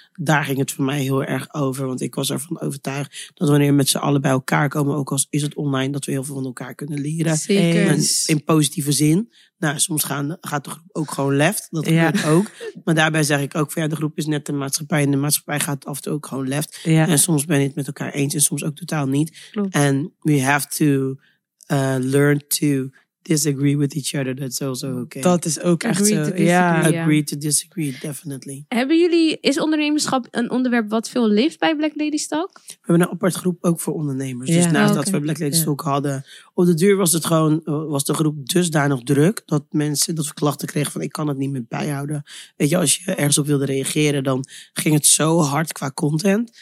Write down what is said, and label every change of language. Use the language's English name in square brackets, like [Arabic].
[Dutch] Daar ging het voor mij heel erg over. Want ik was ervan overtuigd dat wanneer we met z'n allen bij elkaar komen, ook al is het online, dat we heel veel van elkaar kunnen leren. Zeker. In positieve zin. Nou, soms gaat de groep ook gewoon left. Dat gebeurt ook. Maar daarbij zeg ik ook, de groep is net de maatschappij. En de maatschappij gaat af en toe ook gewoon left. Ja. En soms ben je het met elkaar eens. En soms ook totaal niet. Klopt. [English] And we have to learn to disagree with each other. That's also okay. [Dutch] Dat is ook [English] agree [Dutch] echt zo. [English] Agree to disagree, definitely. [Dutch] Is ondernemerschap een onderwerp wat veel leeft bij Black Ladies Talk? We hebben een apart groep ook voor ondernemers. Yeah. Dus dat we Black Ladies Talk hadden. Op de duur was de groep dusdanig druk. Dat we klachten kregen van, ik kan het niet meer bijhouden. Weet je, als je ergens op wilde reageren, dan ging het zo hard qua content.